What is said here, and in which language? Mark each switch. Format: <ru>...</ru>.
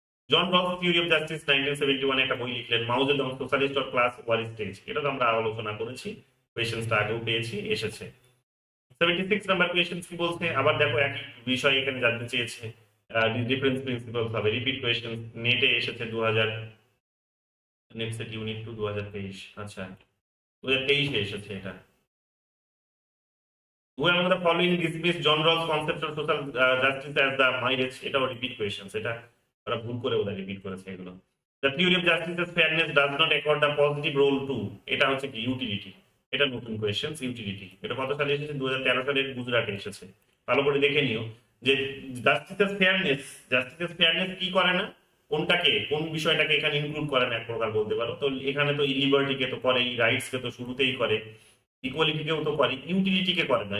<bn>জন রস theory of justice 1971 একটা বই লিখলেন, মাউজে দম socialist or class war stage, এটা তো আমরা আলোচনা করেছি, কোয়েশ্চনটা আগেও পেয়েছি এসেছে। 76 নাম্বার কোয়েশ্চেন কি বলছে, আবার দেখো একই বিষয় এখানে জানতে চেয়েছে, ডিফারেন্স প্রিন্সিপাল হবে, রিপিট কোয়েশ্চেন নেটে এসেছে 2000, নেক্সট ইউনিট 2023, আচ্ছা 2023 এসেছে এটা।</bn> <en>Who among the following dismiss John Rawls' concept of social justice as the mirage?</en> <bn>এটা রিপিট কোয়েশ্চেন, এটা ওরা ভুল করে ওরা রিপিট করেছে এগুলো।</bn> <en>The theory of justice as fairness does not accord the positive role to,</en> <bn>এটা হচ্ছে কি, utility, এটা নতুন কোয়েশ্চেন, ইউটিলিটি, এটা কত সালে এসেছে, 2013 সালে গুজরাটে এসেছে, ভালো করে দেখে নিও। যে জাস্টিস ফেয়ারনেস কি করে না, কোনটাকে কোন বিষয়টাকে এখানে ইনক্লুড করে না এক প্রকার বলতে পারো, তো এখানে তো লিবার্টি কে তো করে, রাইটস কে তো শুরুতেই করে, ইকুয়ালিটি কেও তো করে, ইউটিলিটি কে করে না।</bn>